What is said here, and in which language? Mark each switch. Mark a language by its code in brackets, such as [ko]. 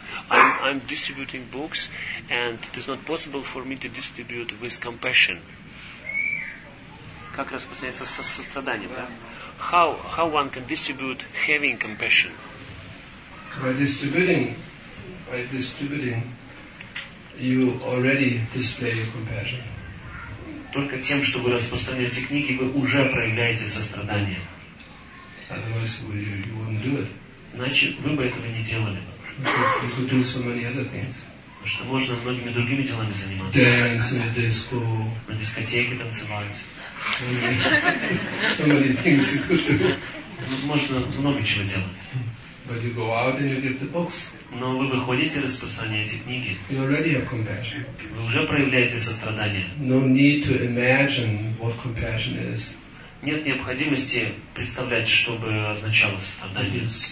[en] I'm distributing books and it is not possible for me to distribute with compassion. [ru] Как распространяется со состраданием, да? [en] How one can distribute having compassion? By distributing, you already display your compassion. [ru] Только тем, что вы распространяете книги, вы уже проявляете сострадание. [en] Otherwise, you wouldn't do it. [ru] Иначе вы бы этого не делали. [en] You could do so many other things. [ru] Потому что можно многими другими делами заниматься. [en] Dance in a disco. [ru] На дискотеке танцевать. [en] So many things you could do. [ru] Можно много чего делать. [en] But you go out and you give the books. [ru] Но вы выходите и распространяете книги. [en] You already have compassion. [ru] Вы уже проявляете сострадание. [en] No need to imagine what compassion is. [ru] нет необходимости представлять, что бы означало сострадание.